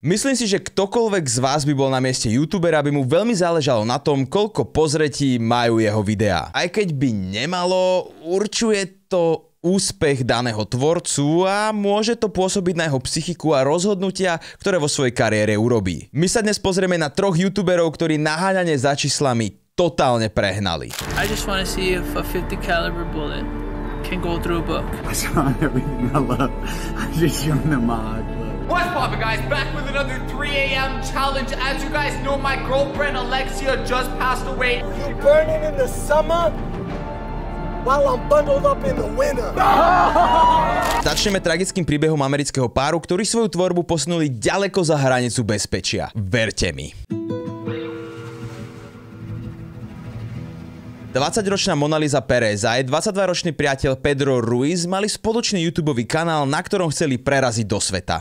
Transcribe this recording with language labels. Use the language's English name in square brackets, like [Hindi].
[Slovak] Myslím si, že ktokoľvek z vás by bol na mieste youtubera, by mu veľmi záležalo na tom, koľko pozretí majú jeho videá. Aj keď by nemalo, určuje to úspech daného tvorcu a môže to pôsobiť na jeho psychiku a rozhodnutia, ktoré vo svojej kariére urobí. My sa dnes pozrieme na troch youtuberov, ktorí naháňanie za číslami totálne prehnali. [English] I just wanna see if a 50 caliber bullet can go through a book. I saw everything I love. I just joined the mod. What's poppin', guys? Back with another 3 a.m. challenge. As you guys know, my girlfriend Alexia just passed away. You burning in the summer while I'm bundled up in the winter. [Slovak] Začneme tragickým príbehom amerického páru, ktorý svoju tvorbu posunuli ďaleko za hranicu bezpečia. Verte mi. 20-ročná Mona Lisa Perez a aj 22-ročný priateľ Pedro Ruiz mali spoločný YouTube-ový kanál, na ktorom chceli preraziť do sveta.